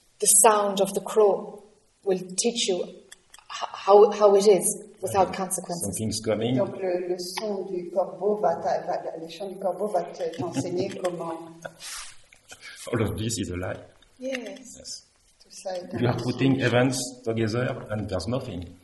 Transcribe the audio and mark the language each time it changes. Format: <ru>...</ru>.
<en>The sound of the crow will teach you how it is without consequences. Something's coming.</en> <fr>Donc le son du corbeau le chant du corbeau va t'enseigner comment.</fr> <en>All of this is a lie. Yes.</en> <fr>Tout ça est</fr> <en>you are putting events together and there's nothing.</en>